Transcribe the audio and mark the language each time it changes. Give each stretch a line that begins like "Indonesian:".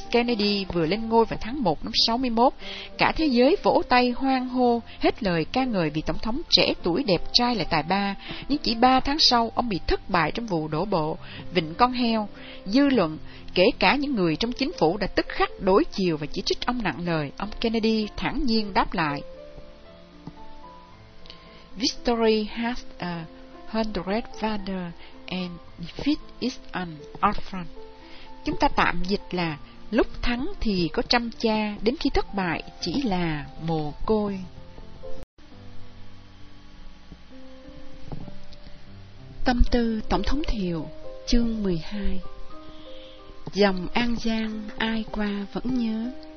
Vietnamese: Kennedy vừa lên ngôi vào tháng 1 năm 61, cả thế giới vỗ tay hoan hô, hết lời ca ngợi vì Tổng thống trẻ tuổi đẹp trai lại tài ba, nhưng chỉ 3 tháng sau, ông bị thất bại trong vụ đổ bộ, vịnh con heo. Dư luận, kể cả những người trong chính phủ đã tức khắc đối chiều và chỉ trích ông nặng lời, ông Kennedy thản nhiên đáp lại.
English: Victory has a hundred valor and defeat is an orphan.
Vietnamese: Chúng ta tạm dịch là lúc thắng thì có trăm cha, đến khi thất bại chỉ là mồ côi. Tâm tư Tổng thống Thiệu, chương 12. Dòng An Giang ai qua vẫn nhớ.